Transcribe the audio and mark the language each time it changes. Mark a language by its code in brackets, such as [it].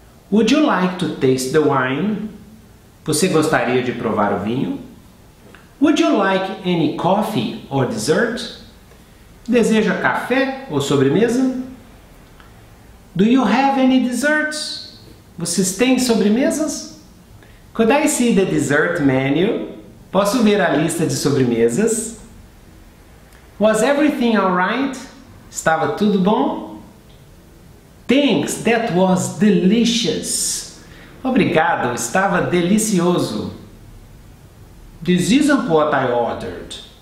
[en] Would you like to taste the wine? [pt] Você gostaria de provar o vinho? [en] Would you like any coffee or dessert? [pt] Deseja café ou sobremesa? [en] Do you have any desserts? [pt] Vocês têm sobremesas? [en] Could I see the dessert menu? [pt] Posso ver a lista de sobremesas? [en] Was everything alright? [pt] Estava tudo bom? [en] Thanks, that was delicious. [pt] Obrigado, estava delicioso. [en] This isn't what I ordered.